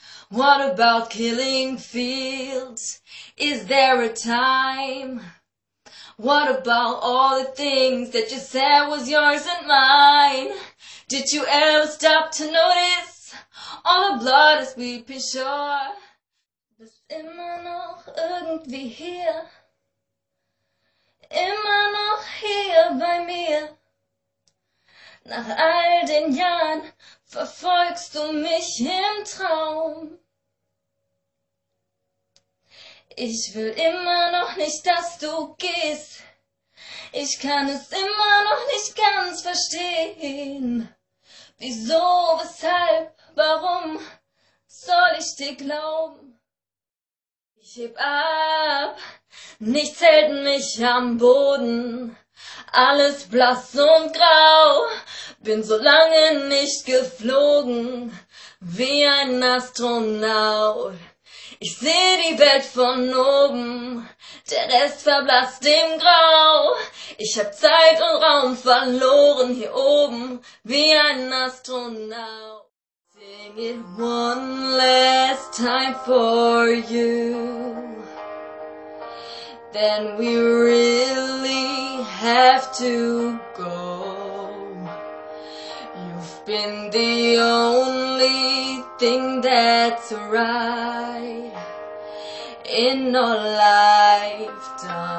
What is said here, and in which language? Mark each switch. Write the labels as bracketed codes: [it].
[en] What about killing fields? Is there a time? What about all the things that you said was yours and mine? Did you ever stop to notice all the blood is weeping shore? [de] Du bist immer noch irgendwie hier. Immer noch hier bei mir. Nach all den Jahren verfolgst du mich im Traum. Ich will immer noch nicht, dass du gehst. Ich kann es immer noch nicht ganz verstehen. Wieso, weshalb, warum soll ich dir glauben? Ich heb ab, nichts hält mich am Boden. Alles blass und grau, bin so lange nicht geflogen, wie ein Astronaut. Ich seh die Welt von oben, der Rest verblasst im Grau. Ich hab Zeit und Raum verloren, hier oben, wie ein Astronaut. [en] Sing it one last time for you, then we really have to go. You've been the only thing that's right in our lifetime.